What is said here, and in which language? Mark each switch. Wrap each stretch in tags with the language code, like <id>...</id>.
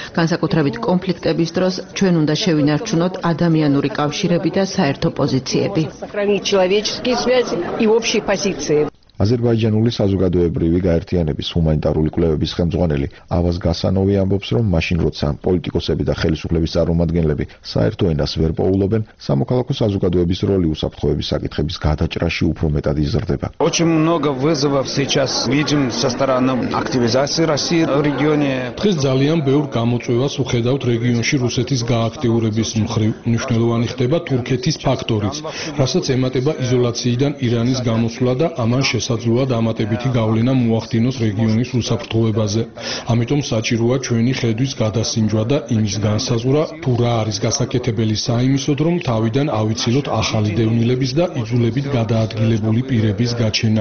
<ka>განსაკუთრებით კონფლიქტების დროს ჩვენ უნდა შევინარჩუნოთ ადამიანური კავშირები და საერთო პოზიციები. აზერბაიჯანული საზოგადოებრივი გაერთიანების ჰუმანიტარული კვლევების ხელმძღვანელი ავაზ გასანოვი ამბობს, რომ მაშინ როცა პოლიტიკოსები და ხელისუფლების წარმომადგენლები საერთო ენას ვერ პოულობენ, სამოქალაქო საზოგადოების როლი უსაფრთხოების საკითხების გადაჭრაში უფრო მეტად იზრდება.</ka> <ru>Очень много вызовов сейчас видим со стороны активизации России в регионе.</ru> <ka>დღეს ძალიან ბევრ გამოწვევას ვხედავთ რეგიონში რუსეთის გააქტიურების მხრივ. მნიშვნელოვანი ხდება თურქეთის ფაქტორიც, რასაც ემატება იზოლაციიდან ირანის გამოსვლა და ამან შესაძლოა დამატებითი გავლენა მოახდინოს რეგიონის უსაფრთხოებაზე. ამიტომ საჭიროა ჩვენი ხედვის გადასინჯვა და იმის განსაზღვრა, თუ რა არის გასაკეთებელი საიმისოდ, რომ თავიდან ავიცილოთ ახალი დევნილების და იძულებით გადაადგილებული პირების გაჩენა.</ka>